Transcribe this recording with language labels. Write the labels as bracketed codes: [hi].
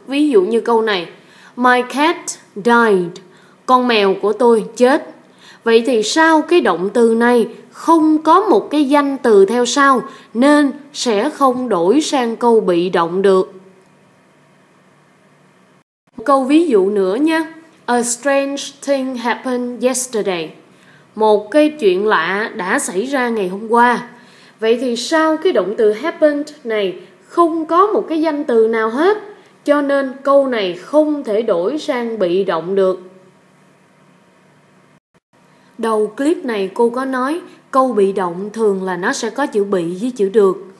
[vi] Ví dụ như câu này [en] My cat died. [vi] Con mèo của tôi chết. Vậy thì sao cái động từ này không có một cái danh từ theo sau nên sẽ không đổi sang câu bị động được. Một câu ví dụ nữa nhé. [en] A strange thing happened yesterday. [vi] Một cái chuyện lạ đã xảy ra ngày hôm qua. Vậy thì sao cái động từ happened này không có một cái danh từ nào hết, cho nên câu này không thể đổi sang bị động được. Đầu clip này cô có nói câu bị động thường là nó sẽ có chữ bị với chữ được.